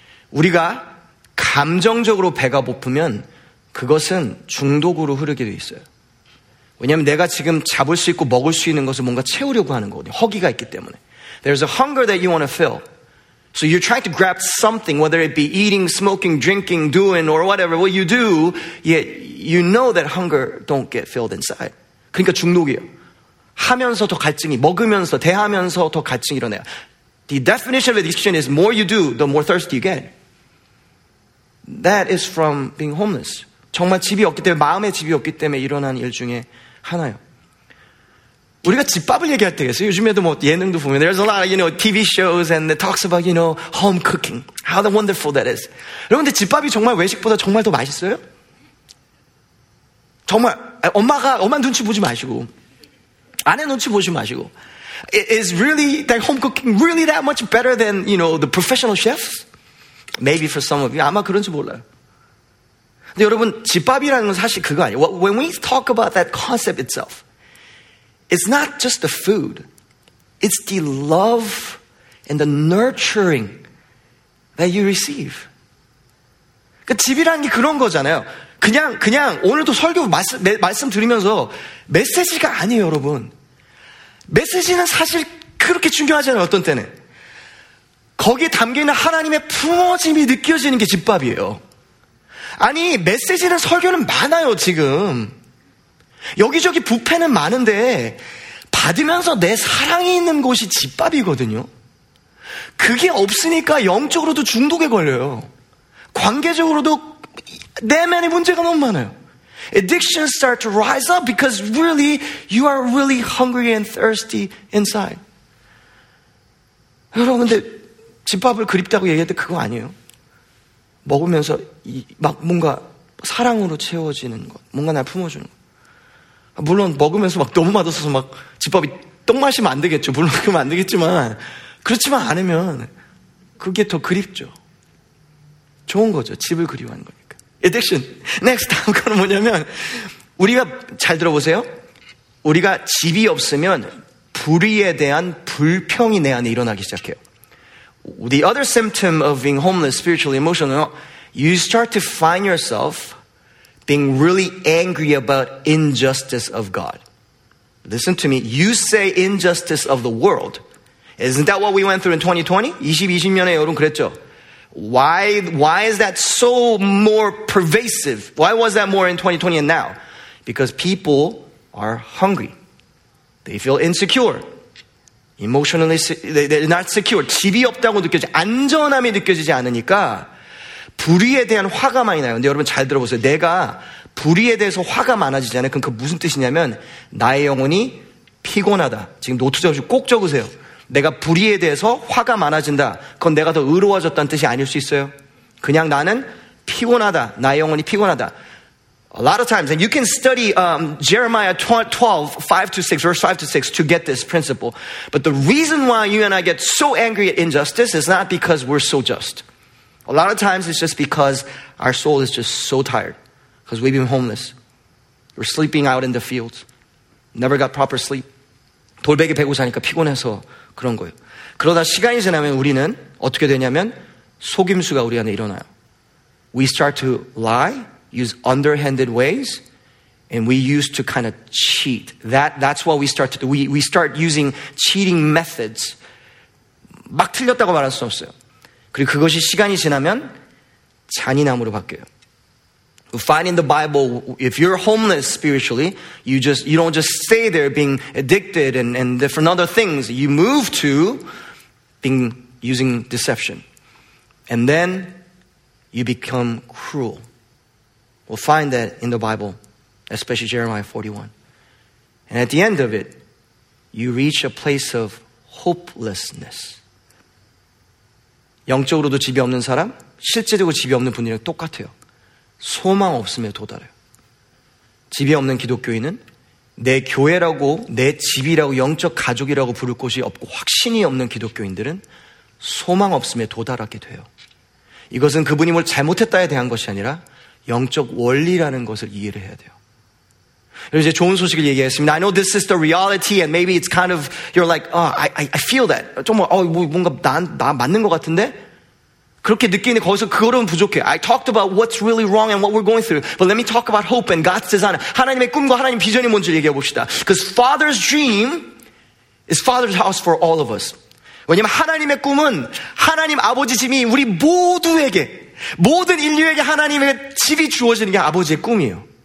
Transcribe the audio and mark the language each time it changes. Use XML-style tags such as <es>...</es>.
<ko>우리가 감정적으로 배가 고프면 그것은 중독으로 흐르게 돼 있어요. 왜냐하면 내가 지금 잡을 수 있고 먹을 수 있는 것을 뭔가 채우려고 하는 거거든요. 허기가 있기 때문에.</ko> <en>There's a hunger that you want to fill. So you're trying to grab something, whether it be eating, smoking, drinking, doing, or whatever. What you do, yet you know that hunger don't get filled inside.</en> <ko>그러니까 중독이에요. 하면서 더 갈증이, 먹으면서, 대하면서 더 갈증이 일어나요.</ko> <en>The definition of addiction is more you do, the more thirsty you get. That is from being homeless.</en> <ko>정말 집이 없기 때문에, 마음의 집이 없기 때문에 일어난 일 중에 하나요. 우리가 집밥을 얘기할 때가 있어요. 요즘에도 뭐 예능도 보면</ko> <en>there's a lot of, you know, TV shows and it talks about, you know, home cooking. How wonderful that is.</en> <ko>여러분, 근데 집밥이 정말 외식보다 정말 더 맛있어요? 정말, 엄마 눈치 보지 마시고. 아내 눈치 보지 마시고.</ko> <en>Is really that home cooking really that much better than, you know, the professional chefs? Maybe for some of you.</en> <ko>아마 그런지 몰라요. 근데 여러분, 집밥이라는 건 사실 그거 아니에요.</ko> <en>When we talk about that concept itself, it's not just the food. It's the love and the nurturing that you receive.</en> <ko>그 집이라는 게 그런 거잖아요. 그냥 오늘도 설교 말씀 들으면서 메시지가 아니에요, 여러분. 메시지는 사실 그렇게 중요하잖아요, 어떤 때는. 거기에 담겨있는 하나님의 품어짐이 느껴지는 게 집밥이에요. 아니, 메시지는 설교는 많아요, 지금. 여기저기 부패는 많은데 받으면서 내 사랑이 있는 곳이 집밥이거든요. 그게 없으니까 영적으로도 중독에 걸려요. 관계적으로도 내면의 문제가 너무 많아요.</ko> <en>Addictions start to rise up because really you are really hungry and thirsty inside.</en> <ko>여러분, 근데 집밥을 그립다고 얘기할 때 그거 아니에요. 먹으면서 막 뭔가 사랑으로 채워지는 것, 뭔가 날 품어주는 것. 물론 먹으면서 막 너무 맛없어서 막 집밥이 똥 마시면 안 되겠죠. 물론 그러면 안 되겠지만 그렇지만 않으면 그게 더 그립죠. 좋은 거죠. 집을 그리워하는 거니까.</ko> <en>Addiction.</en> <ko>Next 다음 거는 뭐냐면 우리가 잘 들어보세요. 우리가 집이 없으면 불의에 대한 불평이 내 안에 일어나기 시작해요.</ko> <en>The other symptom of being homeless, spiritually, emotionally, you start to find yourself being really angry about injustice of God. Listen to me. You say injustice of the world. Isn't that what we went through in 2020?</en> <ko>2020년에 여러분 그랬죠?</ko> <en>Why is that so more pervasive? Why was that more in 2020 and now? Because people are hungry. They feel insecure. Emotionally, they're not secure.</en> <ko>집이 없다고 느껴지지, 안전함이 느껴지지 않으니까 불의에 대한 화가 많이 나요. 근데 여러분 잘 들어보세요. 내가 불의에 대해서 화가 많아지잖아요. 그럼 그 무슨 뜻이냐면 나의 영혼이 피곤하다. 지금 노트 적으시고 꼭 적으세요. 내가 불의에 대해서 화가 많아진다. 그건 내가 더 의로워졌다는 뜻이 아닐 수 있어요. 그냥 나는 피곤하다. 나의 영혼이 피곤하다.</ko> <en>A lot of times, and you can study Jeremiah 12, 5 to 6, verse 5 to 6 to get this principle. But the reason why you and I get so angry at injustice is not because we're so just. A lot of times it's just because our soul is just so tired. Because we've been homeless. We're sleeping out in the fields. Never got proper sleep.</en> <ko>돌베개 베고 자니까 피곤해서 그런 거예요. 그러다 시간이 지나면 우리는 어떻게 되냐면 속임수가 우리 안에 일어나요.</ko> <en>We start to lie, use underhanded ways, and we used to kind of cheat. That's what we start to do. We start using cheating methods.</en> <ko>막 틀렸다고 말할 수 없어요. 그리고 그것이 시간이 지나면 잔인함으로 바뀌어요.</ko> <en>We find in the Bible, if you're homeless spiritually, you don't just stay there being addicted and different other things. You move to being using deception. And then you become cruel. We'll find that in the Bible, especially Jeremiah 41. And at the end of it, you reach a place of hopelessness.</en> <ko>영적으로도 집이 없는 사람, 실제적으로 집이 없는 분이랑 똑같아요. 소망 없음에 도달해요. 집이 없는 기독교인은 내 교회라고, 내 집이라고, 영적 가족이라고 부를 곳이 없고 확신이 없는 기독교인들은 소망 없음에 도달하게 돼요. 이것은 그분이 뭘 잘못했다에 대한 것이 아니라 영적 원리라는 것을 이해를 해야 돼요. 이제 좋은 소식을 얘기했습니다.</ko> <en>I know this is the reality and maybe it's kind of, you're like, oh, I feel that.</en> <ko>좀 뭔가 나 맞는 것 같은데? 그렇게 느끼는데 거기서 그거로는 부족해.</ko> <en>I talked about what's really wrong and what we're going through. But let me talk about hope and God's design.</en> <ko>하나님의 꿈과 하나님의 비전이 뭔지 얘기해 봅시다.</ko> <en>Because Father's dream is Father's house for all of us.</en> <ko>왜냐면 하나님의 꿈은 하나님 아버지 집이 우리 모두에게, 모든 인류에게 하나님의 집이 주어지는 게 아버지의 꿈이에요.</ko>